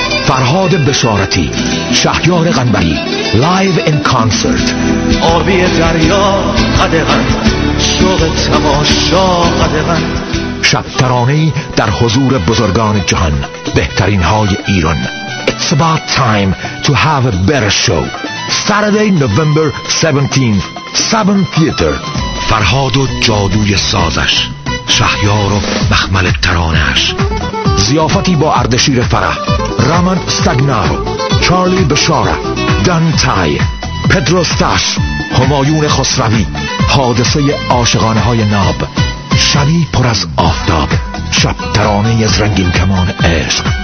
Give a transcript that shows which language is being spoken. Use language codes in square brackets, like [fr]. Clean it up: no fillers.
[fa] فرهاد بشارتی، شهریار قنبری، [en] Live in concert. [fa] آبی دریا قدغن، شوق تماشا قدغن. شبترانه در حضور بزرگان جهان، بهترین های ایران. [en] It's about time to have a better show. Saturday, November 17th, 7 Theater. [fa] فرهاد و جادوی سازش، شهریار و مخمل ترانش، ضیافتی با اردشیر فره، رامان استاگنارو، چارلی بشارا، دان تای، پدرو استاش، همایون خسروی، حادثه عاشقانه های ناب، شبی پر از آفتاب، شب ترانه ی از رنگین کمان عشق.